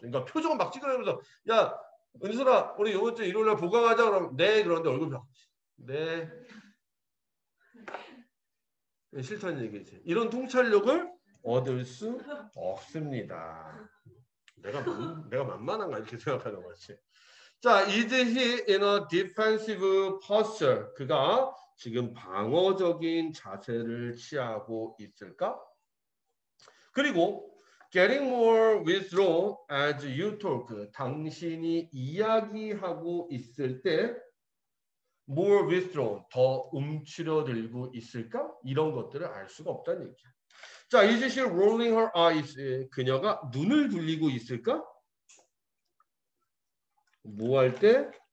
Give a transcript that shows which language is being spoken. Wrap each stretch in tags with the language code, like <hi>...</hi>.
<ko>그러니까 표정을 막 찍으면서, 야, 은수라, 우리 이번 주 일요일날 보강하자. 그럼 네. 그런데 얼굴 변하지. 네. 싫다는 얘기지. 이런 통찰력을 얻을 수 없습니다. 내가 만만한가 이렇게 생각하는 거지.</ko> <en>자, is he in a defensive posture?</en> <ko>그가 지금 방어적인 자세를 취하고 있을까?</ko> <en>그리고 getting more withdrawn as you talk.</en> <ko>당신이 이야기하고 있을 때</ko> <en>more withdrawn,</en> <ko>더 움츠러들고 있을까? 이런 것들을 알 수가 없다는 얘기야.</ko> <en>자, is she rolling her eyes?</en> <ko>그녀가 눈을 돌리고 있을까? 뭐할 때?</ko>